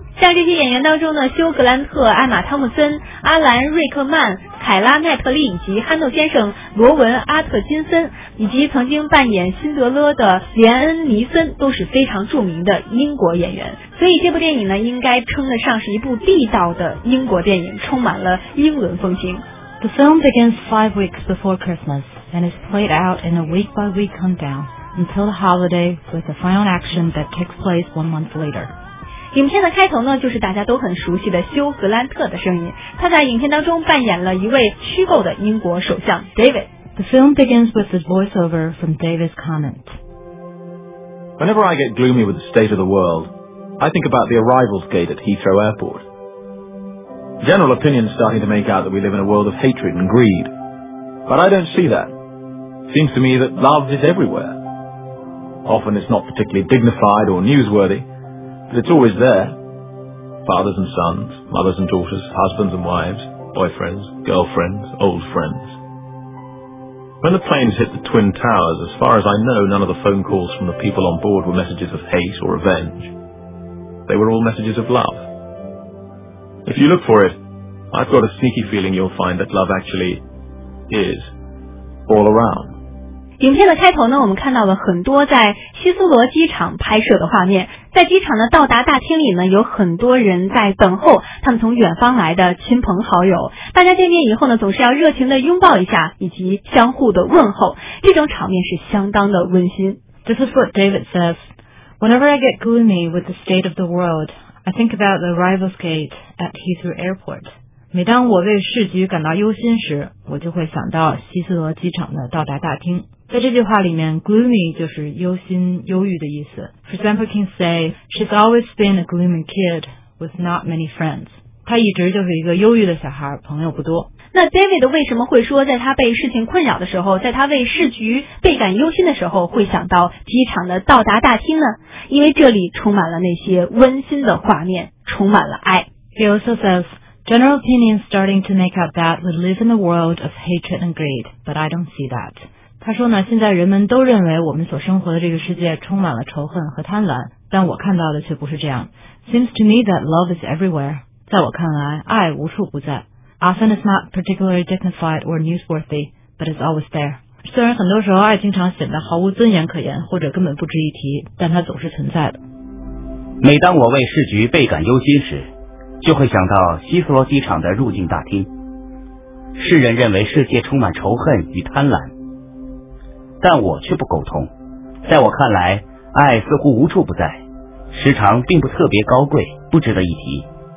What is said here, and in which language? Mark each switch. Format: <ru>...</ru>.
<zh>像这些演员当中呢，休·格兰特、艾玛·汤姆森、阿兰·瑞克曼、凯拉·奈特利以及憨豆先生罗文·阿特金森，以及曾经扮演辛德勒的连恩·尼森，都是非常著名的英国演员。所以这部电影呢，应该称得上是一部地道的英国电影，充满了英伦风情。</zh> <en>The film begins 5 weeks before Christmas and is played out in a week-by-week countdown until the holiday, with the final action that takes place 1 month later.</en> <zh>影片的开头呢，就是大家都很熟悉的休·格兰特的声音，他在影片当中扮演了一位虚构的英国首相 David.</zh> <en>The film begins with a voiceover from David's comment. Whenever I get gloomy with the state of the world, I think about the arrivals gate at Heathrow Airport. General opinion is starting to make out that we live in a world of hatred and greed. But I don't see that. Seems to me that love is everywhere. Often it's not particularly dignified or newsworthy,But it's always there. Fathers and sons, mothers and daughters, husbands and wives, boyfriends, girlfriends, old friends. When the planes hit the Twin Towers, as far as I know, none of the phone calls from the people on board were messages of hate or revenge. They were all messages of love. If you look for it, I've got a sneaky feeling you'll find that love actually is all around.</en> <zh>影片的开头呢，我们看到了很多在希斯罗机场拍摄的画面。在机场的到达大厅里呢，有很多人在等候他们从远方来的亲朋好友。大家见面以后呢，总是要热情的拥抱一下，以及相互的问候。这种场面是相当的温馨。</zh> <en>This is what David says. Whenever I get gloomy with the state of the world, I think about the arrivals gate at Heathrow Airport.</en> <zh>每当我为市局感到忧心时，我就会想到希斯罗机场的到达大厅。在这句话里面 ,gloomy 就是忧心忧郁的意思。</zh> <en>For example, you can say, she's always been a gloomy kid with not many friends.</en> <zh>她一直就是一个忧郁的小孩，朋友不多。那 David 为什么会说在他被事情困扰的时候，在他为市局倍感忧心的时候，会想到机场的到达大厅呢？因为这里充满了那些温馨的画面，充满了爱。</zh> <en>He also says, general opinion starting to make out that we live in a world of hatred and greed, but I don't see that.</en> <zh>他说呢，现在人们都认为我们所生活的这个世界充满了仇恨和贪婪，但我看到的却不是这样。</zh> <en>Seems to me that love is everywhere.</en> <zh>在我看来，爱无处不在。</zh> <en>Often it's not particularly dignified or newsworthy, but it's always there.</en> <zh>虽然很多时候爱经常显得毫无尊严可言，或者根本不值一提，但它总是存在的。每当我为市局倍感忧心时，就会想到希斯罗机场的入境大厅。世人认为世界充满仇恨与贪婪。但我却不苟同，在我看来，爱似乎无处不在，时常并不特别高贵，不值得一提。</zh>